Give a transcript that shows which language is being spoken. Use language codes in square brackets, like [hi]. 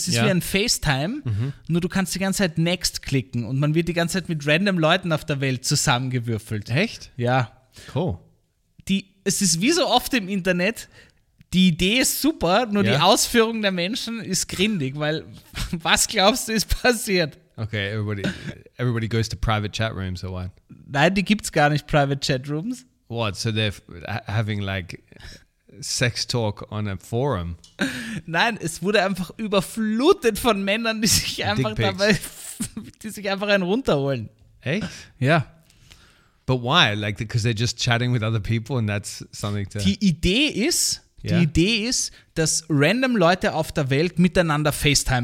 [de] Es ist ja wie ein FaceTime. Mhm. Nur du kannst die ganze Zeit Next klicken. Und man wird die ganze Zeit mit random Leuten auf der Welt zusammengewürfelt. Echt? Ja. Cool. Es ist wie so oft im Internet. Die Idee ist super, nur ja, die Ausführung der Menschen ist grindig. Weil, was glaubst du, ist passiert? [en] Okay, everybody goes to private chat rooms or what? [de] Nein, die gibt's gar nicht, [en] private chat rooms. What, so they're having like sex talk on a forum? [de] Nein, es wurde einfach überflutet von Männern, die sich einfach dabei, die sich einfach einen runterholen. Echt? Ja. [en] But why? Like, because they're just chatting with other people and that's something to... [de] Die Idee ist, dass random Leute auf der Welt miteinander FaceTimen